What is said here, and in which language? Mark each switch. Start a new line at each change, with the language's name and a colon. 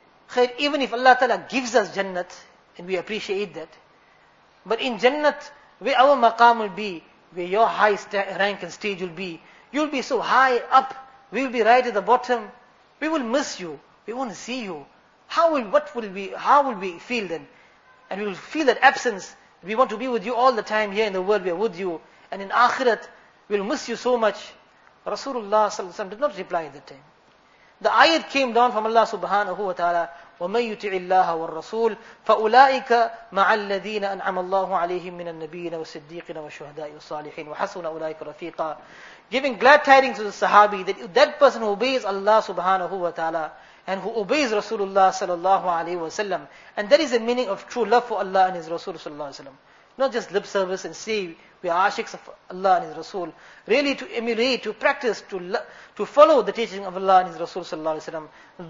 English: Khair, even if Allah Ta'ala gives us Jannat, and we appreciate that, but in Jannat, where our maqam will be, where your high rank and stage will be, you'll be so high up, we'll be right at the bottom, we will miss you, we won't see you. How will we feel then? And we'll feel that absence. We want to be with you all the time here in the world, we're with you. And in Akhirat, we'll miss you so much. Rasulullah sallallahu alaihi wasallam did not reply at that time. The ayat came down from Allah subhanahu wa ta'ala,
Arabic: وَمَنْ يُتِعِ اللَّهَ وَالرَّسُولِ فَأُولَٰئِكَ مَعَ الَّذِينَ أَنْعَمَ اللَّهُ عَلَيْهِمْ مِنَ النَّبِيِّينَ وَالصِّدِّيقِينَ وَالشُّهَدَاءِ وَالصَّالِحِينَ وَحَسُنَ أُولَٰئِكَ رَفِيقًا.
English: Giving glad tidings to the Sahabi that person who obeys Allah subhanahu wa ta'ala and who obeys Rasulullah sallallahu alaihi wasallam, and that is the meaning of true love for Allah and His Rasul sallallahu alaihi wasallam. Not just lip service and say we are ashiks of Allah and His Rasul. Really to emulate, to practice, to follow the teaching of Allah and His Rasul sallallahu alaihi wasallam.